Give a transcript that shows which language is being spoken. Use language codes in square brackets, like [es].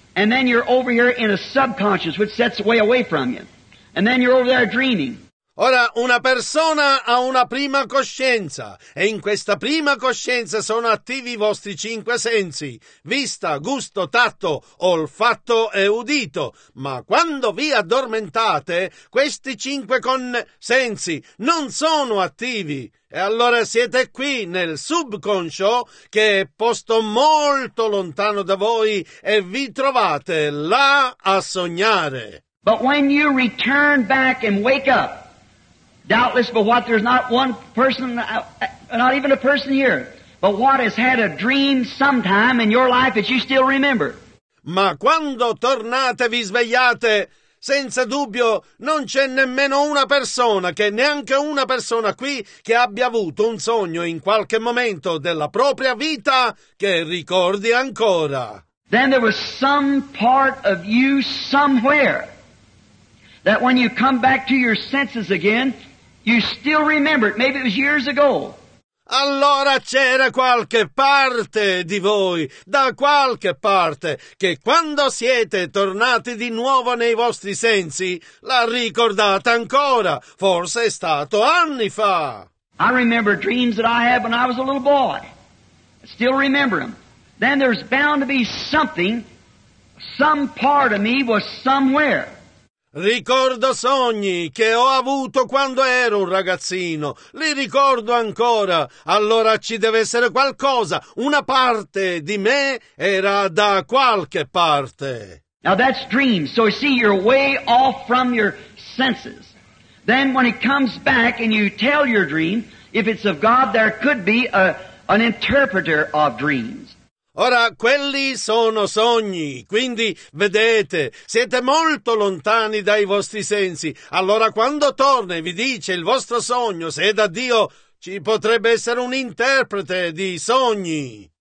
[en] And then you're over here in a subconscious, which sets way away from you. And then you're over there dreaming. [it] Ora, una persona ha una prima coscienza, e in questa prima coscienza sono attivi i vostri cinque sensi, vista, gusto, tatto, olfatto e udito. Ma quando vi addormentate, questi cinque sensi non sono attivi. E allora siete qui nel subconscio, che è posto molto lontano da voi, e vi trovate là a sognare. [en] But when you return back and wake up, doubtless, but what, there's not one person, not even a person here, but what has had a dream sometime in your life that you still remember. [it] Ma quando tornate, vi svegliate, senza dubbio non c'è nemmeno una persona, che neanche una persona qui, che abbia avuto un sogno in qualche momento della propria vita che ricordi ancora. [en] Then there was some part of you somewhere that when you come back to your senses again, you still remember it. Maybe it was years ago. [it] Allora c'era qualche parte di voi, da qualche parte, che quando siete tornati di nuovo nei vostri sensi, la ricordate ancora. Forse è stato anni fa. [en] I remember dreams that I had when I was a little boy. I still remember them. Then there's bound to be something, some part of me was somewhere. [it] Ricordo sogni che ho avuto quando ero un ragazzino. Li ricordo ancora. Allora ci deve essere qualcosa. Una parte di me era da qualche parte. [en] Now that's dreams. So you see, you're way off from your senses. Then when it comes back and you tell your dream, if it's of God, there could be an interpreter of dreams. [it] Ora, quelli sono sogni, quindi vedete, siete molto lontani dai vostri sensi. Allora, quando torna e vi dice il vostro sogno, se è da Dio, ci potrebbe essere un interprete di sogni.